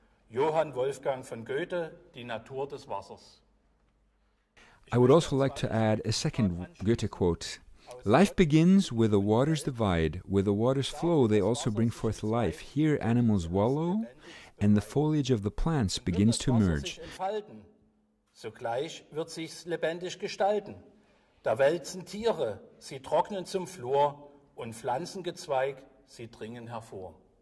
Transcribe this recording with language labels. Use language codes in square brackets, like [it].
[de] Johann Wolfgang von Goethe, die Natur des Wassers. [en] I would also like to add a second Goethe quote. Life begins where the waters divide. Where the waters flow, they also bring forth life. Here animals wallow, and the foliage of the plants begins to emerge. [de] Sogleich wird sich's lebendig gestalten. Da wälzen Tiere, sie trocknen zum Flor, und Pflanzengezweig, sie dringen hervor.